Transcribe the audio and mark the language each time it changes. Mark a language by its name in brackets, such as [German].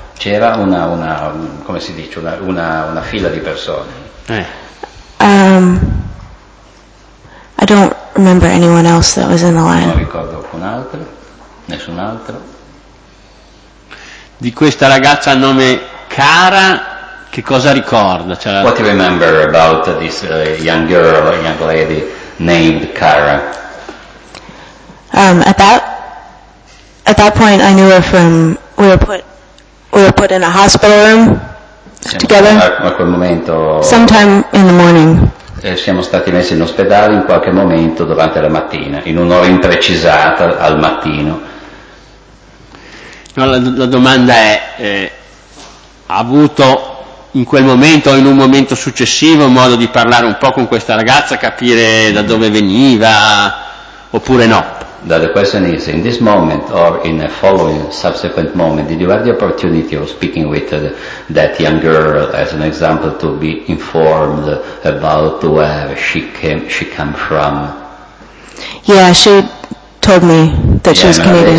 [Italian] C'era una come si dice una fila di persone. [English] I don't remember anyone else that was in the line. [Italian] Non ricordo alcun altro. Nessun altro. Di questa ragazza a nome Cara. Che cosa ricorda? [English] What do you remember about this young lady named Cara? At that point I knew her from we were put in a hospital room together. [Italian] A quel momento. [English] Sometime in the morning. [Italian] Siamo stati messi in ospedale in qualche momento durante la mattina, in un'ora imprecisata al mattino. No, la domanda è ha avuto in quel momento o in un momento successivo modo di parlare un po' con questa ragazza, capire da dove veniva oppure no? [English] The question is, in this moment or in a following subsequent moment, did you have the opportunity of speaking with that young girl as an example to be informed about where she came from? Yeah, she told me that she was Canadian.